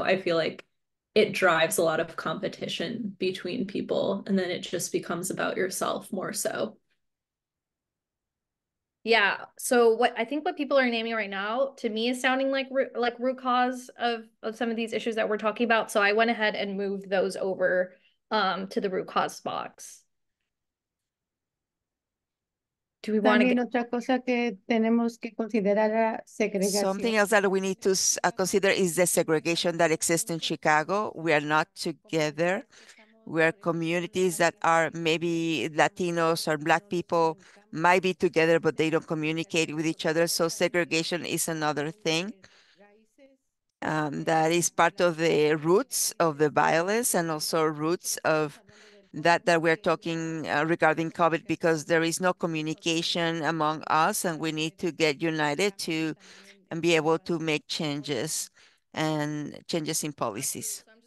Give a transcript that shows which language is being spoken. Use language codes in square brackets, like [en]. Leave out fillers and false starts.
[en] I feel like it drives a lot of competition between people, and then it just becomes about yourself more so. Yeah. So what I think what people are naming right now to me is sounding like root cause of some of these issues that we're talking about. So I went ahead and moved those over to the root cause box. Do we want to [es] otra cosa que tenemos que considerar la segregación. [en] Something else that we need to consider is the segregation that exists in Chicago. We are not together. We are communities that are maybe Latinos or Black people might be together, but they don't communicate with each other. So segregation is another thing that is part of the roots of the violence and also roots of that we're talking regarding COVID, because there is no communication among us and we need to get united to and be able to make changes and changes in policies.